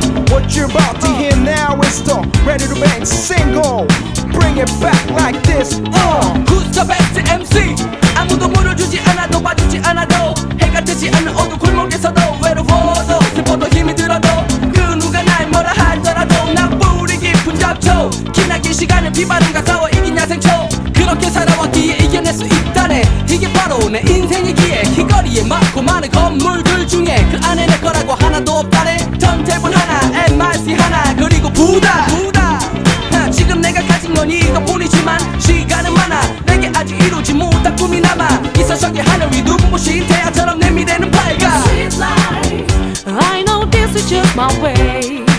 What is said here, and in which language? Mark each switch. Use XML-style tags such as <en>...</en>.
<en>What you're about to hear now is the Ready to Bang single. Bring it back like this. Who's the best MC?</en> <ko>아무도 물어주지 않아도 봐주지 않아도 해가 뜨지 않는 어두운 골목에서도 외로워도 슬퍼도 힘이 들어도 그 누가 날 뭐라 하더라도 나 뿌리 깊은 잡초 기나긴 시간을 비바람과 싸워 이긴 야생초. 그렇게 살아왔기에 이겨낼 수 있다네. 이게 바로 내 인생이기에. 길거리에 많고 많은 건물들 중에 그 안에 내꺼라고 하나도 없다네. 턴테이블 하나, M.U.S.I.C 하나, 그리고 부다. 지금 내가 가진 건 이것뿐이지만 시간은 많아. 내게 아직 이루지 못한 꿈이 남아. 이서적의 하늘 위 눈부신 태양처럼 내 미래는 밝아.</ko> <en>Street life, I know this is just my way.</en>